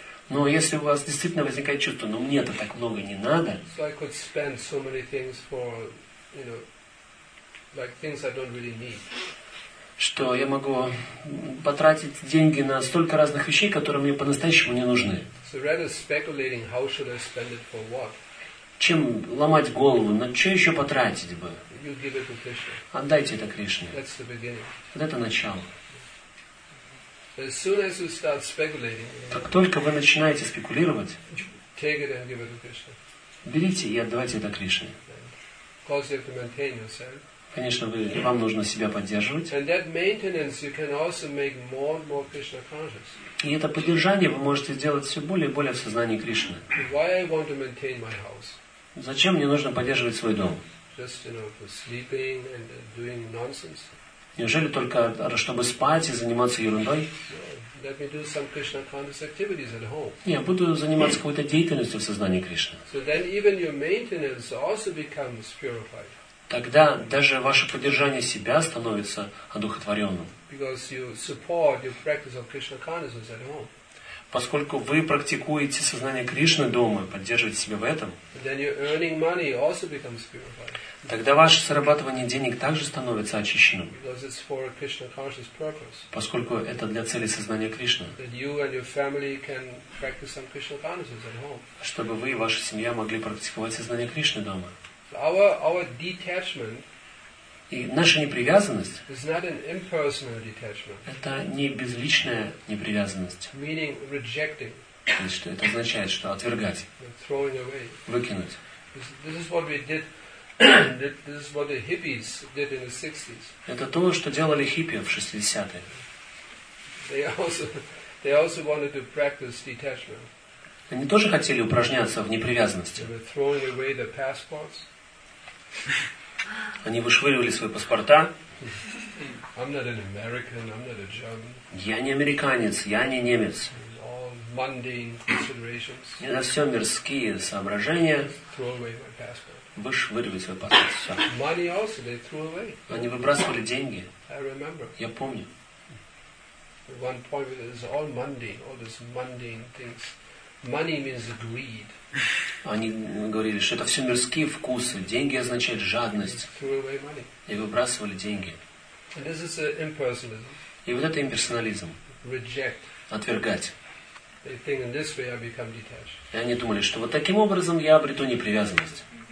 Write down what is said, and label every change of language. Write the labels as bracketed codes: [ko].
[ru] Но если у вас действительно возникает чувство, ну мне это так много не надо. [en] So I could spend so many things for, you know, like things I don't really need. [ru] Что я могу потратить деньги на столько разных вещей, которые мне по-настоящему не нужны. [en] So rather speculating, how should I spend it for what? [ru] Чем ломать голову, на что еще потратить бы? [en] You give it to Krishna. [ru] Отдайте это Кришне. [en] That's the beginning. [ru] Вот это начало. [en] As soon as you start speculating, [ru] как только вы начинаете спекулировать, [en] take it and give it to Krishna. [ru] Берите и отдавайте это Кришне. [en] Because you have to maintain yourself. [ru] Конечно, вы, вам нужно себя поддерживать. [en] And that maintenance you can also make more and more Krishna conscious. [ru] И это поддержание вы можете сделать все более и более в сознании Кришны. [en] Why I want to maintain my house? [ru] Зачем мне нужно поддерживать свой дом? [en] Just, you know, for sleeping and doing nonsense. [ru] Неужели только чтобы спать и заниматься ерундой? [en] Let me do some Krishna conscious activities at home. [ru] Не, буду заниматься какой-то деятельностью в сознании Кришны. [en] So then even your maintenance also becomes purified. [ru] Тогда даже ваше поддержание себя становится одухотворенным. [en] Because you support your practice of Krishna consciousness at home. [ru] Поскольку вы практикуете сознание Кришны дома, поддерживаете себя в этом, [en] then your earning money also becomes purified. [ru] Тогда ваше зарабатывание денег также становится очищенным. [en] Because it's for a Krishna conscious purpose. [ru] Поскольку это для цели сознания Кришны. [en] That you and your family can practice some Krishna consciousness at home. [ru] Чтобы вы и ваша семья могли практиковать сознание Кришны дома. [en] Our detachment. [ru] И наша непривязанность. [en] Is not an impersonal detachment. [ru] Это не безличная непривязанность. [en] Meaning rejecting. [ru] То есть, что это означает, что отвергать. [en] Throwing away. [ru] Выкинуть. [en] This is what we did. This is what the hippies did in the 60s. [ru] Это то, что делали хиппи в 60-е. [en] They also wanted to practice detachment. [ru] Они тоже хотели упражняться в непривязанности. [en] They were throwing away their passports. [ru] Они вышвыривали свои паспорта. [en] I'm not an American, I'm not a German. [ru] Я не американец, я не немец. [en] All mundane considerations. [ru] Это все мирские соображения. [en] Throw away my passport. [ru] Вышвыривать свой паспорт. Все. [en] Money also they threw away. [ru] Они выбрасывали деньги. [en] I remember. [ru] Я помню. [en] At one point it was all mundane, all these mundane things. Money means greed. [ru] Они говорили, что это все мирские вкусы. Деньги означают жадность. И выбрасывали деньги. [en] And this is impersonalism. [ru] И вот это имперсонализм. [en] Reject. [ru] Отвергать. [en] They think in this way I become detached. [ru] И они думали, что вот таким образом я обрету непривязанность.